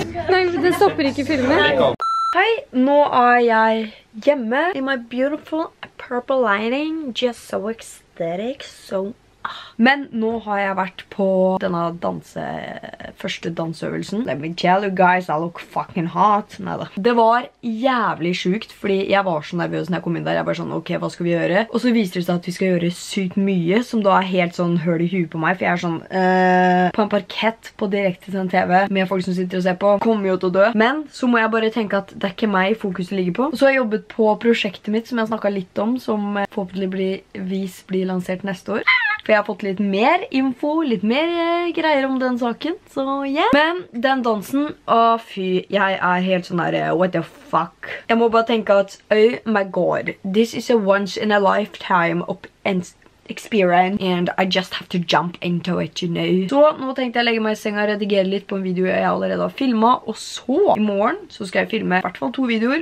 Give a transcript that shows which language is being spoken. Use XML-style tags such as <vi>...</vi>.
<no>Nei, det stopper ikke filmen. Hei, nå jeg hjemme i</no> <en>my beautiful purple lighting. Just so ecstatic, so...</en> <no>Men nå har jeg vært på denne første danseøvelsen.</no> <en>Let me tell you guys, I look fucking hot.</en> <no>Neida. Det var jævlig sykt, fordi jeg var så nervøs når jeg kom inn der. Jeg var sånn, ok, hva skal vi gjøre? Og så viser det seg at vi skal gjøre sykt mye, som da er helt sånn høl i huet på meg. For jeg er sånn, på en parkett på direkte til en TV, med folk som sitter og ser på. Kommer jo til å dø. Men så må jeg bare tenke at det er ikke meg fokuset ligger på. Og så har jeg jobbet på prosjektet mitt, som jeg snakket litt om, som forhåpentligvis blir lansert neste år. For jeg har fått litt mer info, litt mer greier om den saken, så yeah. Men den dansen, å fy, jeg er helt sånn der,</no> <en>what the fuck.</en> <no>Jeg må bare tenke at,</no> <en>oh my god, this is a once in a lifetime experience, and I just have to jump into it, you know.</en> <no>Så nå tenkte jeg legge meg i senga og redigere litt på en video jeg allerede har filmet, og så i morgen så skal jeg filme i hvert fall to videoer.</no>